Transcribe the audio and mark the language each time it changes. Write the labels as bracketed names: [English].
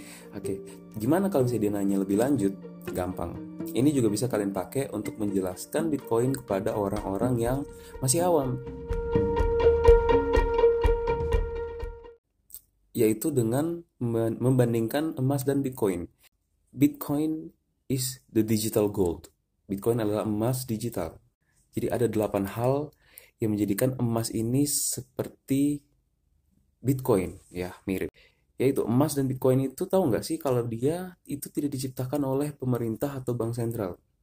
[Indonesian] Oke, gimana kalau misalnya dia nanya lebih lanjut? Gampang. Ini juga bisa kalian pakai untuk menjelaskan Bitcoin kepada orang-orang yang masih awam. Yaitu dengan membandingkan emas dan Bitcoin. [English] Bitcoin is the digital gold. [Indonesian] Bitcoin adalah emas digital. Jadi ada 8 hal yang menjadikan emas ini seperti Bitcoin, ya mirip. Yaitu emas dan Bitcoin itu tahu nggak sih kalau dia itu tidak diciptakan oleh pemerintah atau bank sentral?